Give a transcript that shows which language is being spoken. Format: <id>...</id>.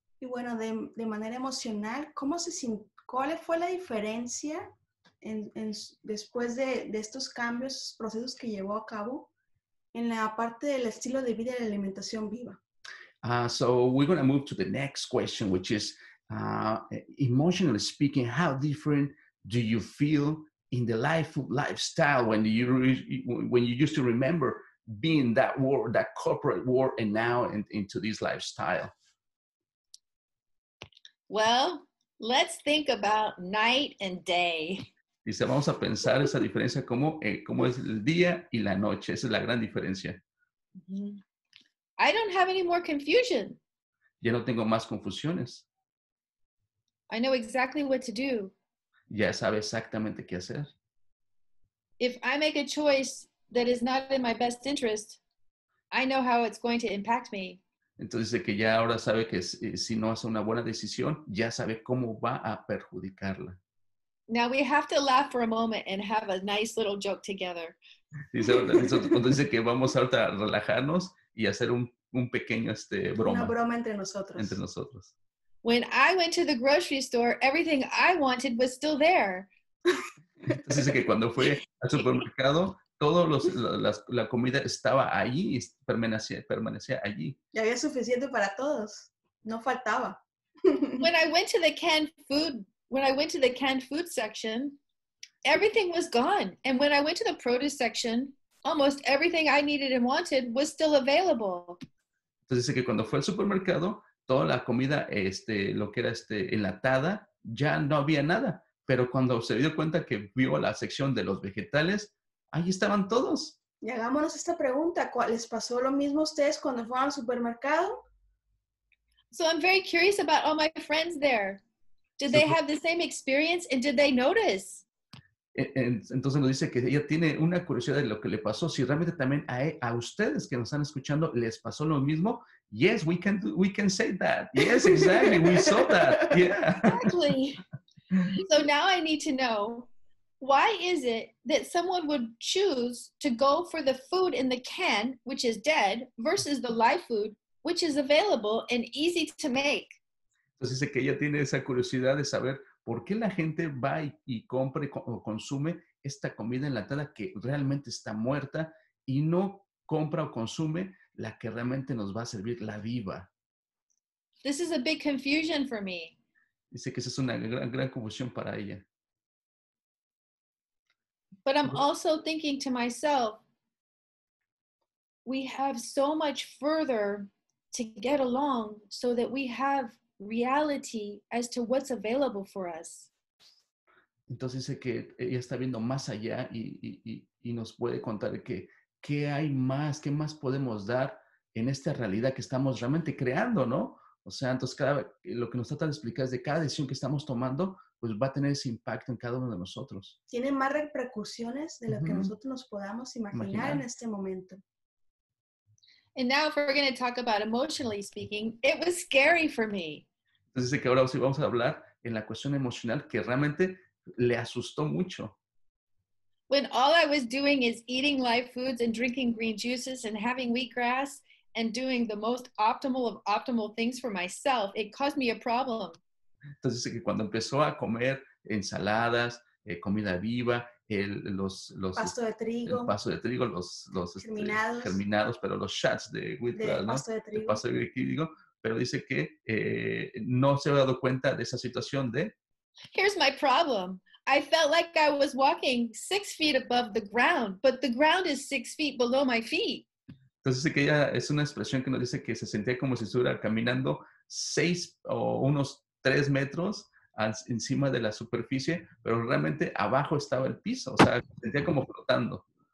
<es>Y bueno, de manera emocional, ¿cómo se sintió? ¿Cuál fue la diferencia después de estos cambios, procesos que llevó a cabo en la parte del estilo de vida y la alimentación viva?</es> <en>So we're going to move to the next question, which is, emotionally speaking, how different do you feel in the lifestyle when you used to remember being that world, that corporate world, and now into this lifestyle? Well, let's think about night and day.</en> <es>Dice, vamos a pensar esa diferencia, cómo es el día y la noche. Esa es la gran diferencia.</es> <en>Mm-hmm. I don't have any more confusion.</en> <es>Ya no tengo más confusiones.</es> <en>I know exactly what to do.</en> <es>Ya sabe exactamente qué hacer.</es> <en>If I make a choice that is not in my best interest, I know how it's going to impact me.</en> <es>Entonces, que ya ahora sabe que si no hace una buena decisión, ya sabe cómo va a perjudicarla.</es> <en>Now we have to laugh for a moment and have a nice little joke together.</en> <es>Dice que vamos a relajarnos y hacer un pequeño broma. Una broma entre nosotros. Entre nosotros.</es> <en>When I went to the grocery store, everything I wanted was still there.</en> <es>Entonces dice que cuando fue al supermercado, todo la comida estaba allí, permanecía allí. Y había suficiente para todos. No faltaba.</es> <en>When I went to the canned food section, everything was gone. And when I went to the produce section, almost everything I needed and wanted was still available.</en> <es>Entonces dice que cuando fue al supermercado, toda la comida, lo que era enlatada, ya no había nada. Pero cuando se dio cuenta que vio la sección de los vegetales, ahí estaban todos. Y hagámonos esta pregunta. ¿Les pasó lo mismo a ustedes cuando fueron al supermercado?</es> <en>So I'm very curious about all my friends there. Did they have the same experience and did they notice?</en> <es>Entonces nos dice que ella tiene una curiosidad de lo que le pasó. Si realmente también a ustedes que nos están escuchando les pasó lo mismo.</es> <en>Yes, we can say that. Yes, exactly. We saw that. Yeah. Exactly. So now I need to know, why is it that someone would choose to go for the food in the can, which is dead, versus the live food, which is available and easy to make?</en> <es>Entonces dice que ella tiene esa curiosidad de saber por qué la gente va y compra o consume esta comida enlatada que realmente está muerta y no compra o consume la que realmente nos va a servir, la viva.</es> <en>This is a big confusion for me.</en> <es>Dice que esa es una gran, gran confusión para ella.</es> <en>But I'm also thinking to myself, we have so much further to get along so that we have reality as to what's available for us.</en> <es>Entonces dice que ella está viendo más allá y nos puede contar que qué hay más, qué más podemos dar en esta realidad que estamos realmente creando, ¿no? O sea, entonces lo que nos trata de explicar es de cada decisión que estamos tomando, pues va a tener ese impacto en cada uno de nosotros. Tiene más repercusiones de lo que nosotros nos podamos imaginar en este momento.</es> <en>And now if we're going to talk about emotionally speaking, it was scary for me.</en> <es>Entonces dice que ahora sí vamos a hablar en la cuestión emocional que realmente le asustó mucho.</es> <en>When all I was doing is eating live foods and drinking green juices and having wheatgrass and doing the most optimal of optimal things for myself, it caused me a problem.</en> <es>Entonces dice que cuando empezó a comer ensaladas, comida viva, pasto de trigo, germinados, pero los shots de wheatgrass, ¿no? Pasto de trigo, pero dice que no se había dado cuenta de esa situación de.</es> <en>Here's my problem. I felt like I was walking 6 feet above the ground, but the ground is 6 feet below my feet.</en> <es>Entonces dice que ella es una expresión que nos dice que se sentía como si estuviera caminando 3 metros encima de la superficie, pero realmente abajo estaba el piso, o sea, sentía como flotando.</es>